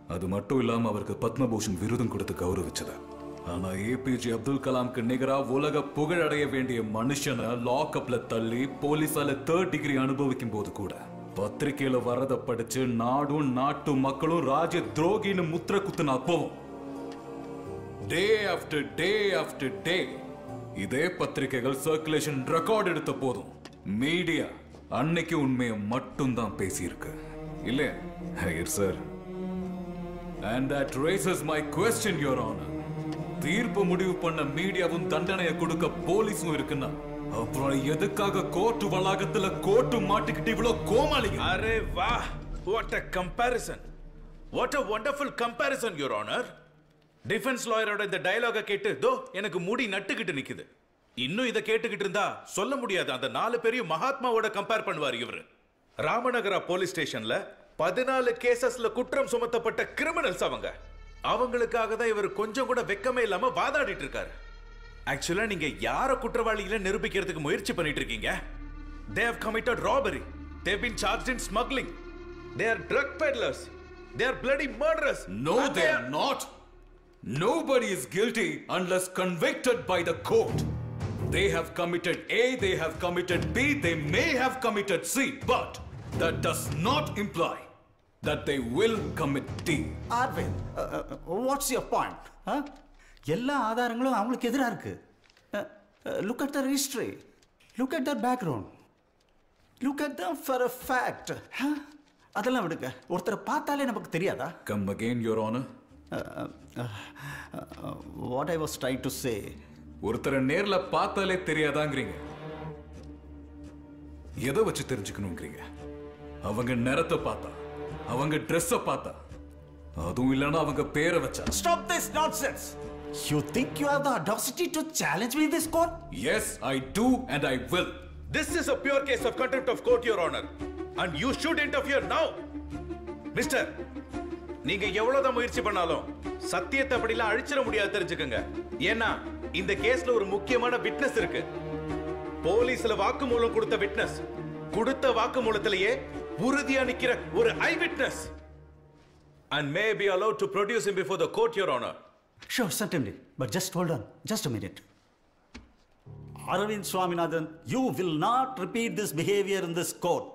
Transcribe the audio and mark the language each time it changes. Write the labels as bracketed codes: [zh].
[ta] அது மட்டும் இல்லாமல் அவருக்கு பத்மபூஷன் விருதும் கொடுத்து கௌரவிச்சது. ஆனா ஏபிஜே அப்துல் கலாம்க்கு நிகரா உலக புகழடைய வேண்டிய மனுஷனை லாக்அப்ல தள்ளி போலீஸால 3rd degree அனுபவிக்கும் போது கூட பத்திரிகையில வரத படிச்சு நாடும் நாட்டு மக்களும் ராஜ துரோகின்னு முத்திர குத்துன அப்பவும் [en] day after day [ta] இதே பத்திரிகைகள் சர்க்குலேஷன் ரெக்கார்ட் எடுத்த போதும் மீடியா அன்னைக்கு உண்மையை மட்டும்தான் பேசியிருக்கு இல்லையா sir? [en] And that raises my question, Your Honor. [ta] தீர்ப்பு முடிவு பண்ண மீடியாவும் தண்டனையை கொடுக்க போலீஸும் இருக்குன்னா அப்புறம் எதுக்காக கோர்ட்டு வளாகத்துல கோர்ட்டு மாட்டிக்கிட்டு இவ்வளவு கோமாளிங்க? [hi] அரே வா, [en] What a comparison, what a wonderful comparison your honour. [ta] Defence லாயரோட இந்த டயலாக கேட்டு தோ எனக்கு முடி நட்டுக்கிட்டு நிக்குது. இன்னும் இதை கேட்டுக்கிட்டு இருந்தா சொல்ல முடியாது அந்த நாலு பேரையும் மகாத்மாவோட கம்பேர் பண்ணுவார் இவர். ராமநகரா போலீஸ் ஸ்டேஷன்ல 14 cases குற்றம் சுமத்தப்பட்ட கிரிமினல்ஸ் அவங்க. அவங்களுக்காக தான் இவர் கொஞ்சம் கூட வெக்கமே இல்லாம வாதாடிட்டு இருக்காரு. ஆக்சுவலா நீங்க யார குற்றவாளிகளை நிரூபிக்கிறதுக்கு முயற்சி பண்ணிட்டு இருக்கீங்க? [en] They have committed robbery. They have been charged in smuggling. They are drug peddlers. They are bloody murderers. No, they are not. Nobody is guilty unless convicted by the court. They have committed A, they have committed B, they may have committed C, but that does not imply that they will commit D. Arvin, what's your point? [ta] எல்லா ஆதாரங்களும் அவங்களுக்கு எதிராக இருக்கு. [en] Look at their history. Look at their background. Look at them for a fact. [ta] அதெல்லாம் விடுங்க. ஒருத்தரை பார்த்தாலே நமக்கு தெரியாதா? [en] Come again, Your Honor. What I was trying to say. [ta] ஒருத்தரை நேரில் பார்த்தாலே தெரியாதாங்கிறீங்க. எதை வச்சு தெரிஞ்சுக்கணுங்கிறீங்க? அவங்க நேரத்தை பார்த்தா, அவங்க டிரெஸ் பார்த்தா, அதுவும் இல்லனா அவங்க பேரை வச்சா. [en] Stop this nonsense. You think you have the audacity to challenge me in this court? Yes, I do and I will. This is a pure case of contempt of court, Your Honor, and you should interfere now. [ta] Mister, நீங்க எவ்வளவுதான் முயற்சி பண்ணாலும் சத்தியத்தை படியில அழிச்சிட முடியாது தெரிஞ்சுக்கங்க. ஏன்னா இந்த கேஸ்ல ஒரு முக்கியமான விட்னஸ் இருக்கு. போலீஸ்ல வாக்குமூலம் கொடுத்த விட்னஸ், கொடுத்த வாக்குமூலத்திலேயே உறுதியா நிக்கிற ஒரு ஐ witness. [en] And may be allowed to produce him before the court, Your Honor. Sure, certainly. But just hold on. Just a minute. Arvind Swaminathan, you will not repeat this behavior in this court.